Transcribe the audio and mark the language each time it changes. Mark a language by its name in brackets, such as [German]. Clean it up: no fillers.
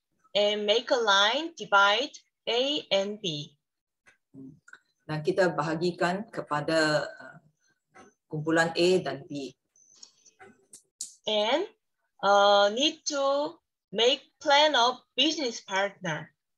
[English] And make a line divide A and B. [Malay] Dan kita bahagikan kepada kumpulan A dan B. [English] And need to make plan of business partner.